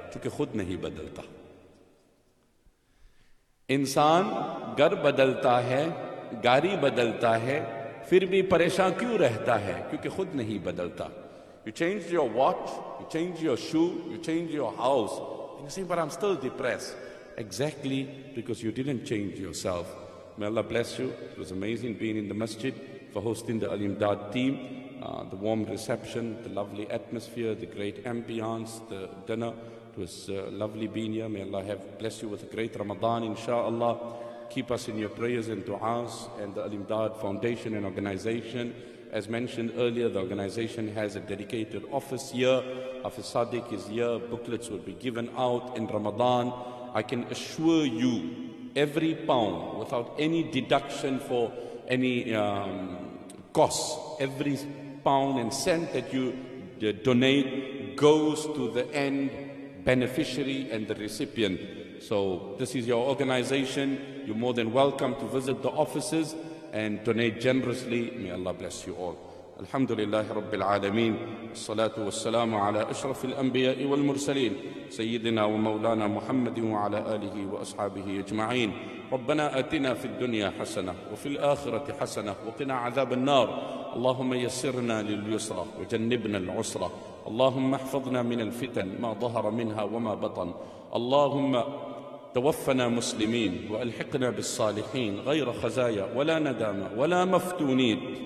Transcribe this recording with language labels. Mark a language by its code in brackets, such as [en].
[ur] کیونکہ خود نہیں بدلتا انسان گھر بدلتا ہے گاڑی بدلتا ہے پھر بھی پریشان کیوں رہتا ہے کیونکہ خود نہیں بدلتا [en] you change your watch, you change your shoe, you change your house and you say, but I'm still depressed. Exactly, because you didn't change yourself. May Allah bless you. It was amazing being in the masjid for hosting the Al-Imdad team. The warm reception, the lovely atmosphere, the great ambiance, the dinner. It was lovely being here. May Allah have bless you with a great Ramadan, inshallah. Keep us in your prayers and du'as, and the Al-Imdad Foundation and organization. As mentioned earlier, the organization has a dedicated office here. Hafiz Sadiq is here. Booklets will be given out in Ramadan. I can assure you, every pound, without any deduction for any cost, every pound and cent that you donate goes to the end beneficiary and the recipient. So this is your organization. You're more than welcome to visit the offices and donate generously. May Allah bless you all. [ar] الحمد لله رب العالمين الصلاة والسلام على أشرف الأنبياء والمرسلين سيدنا ومولانا محمد وعلى آله وأصحابه أجمعين ربنا آتنا في الدنيا حسنة وفي الآخرة حسنة وقنا عذاب النار اللهم يسرنا لليسرى وجنبنا العسرى اللهم احفظنا من الفتن ما ظهر منها وما بطن اللهم توفنا مسلمين وألحقنا بالصالحين غير خزايا ولا ندامة ولا مفتونين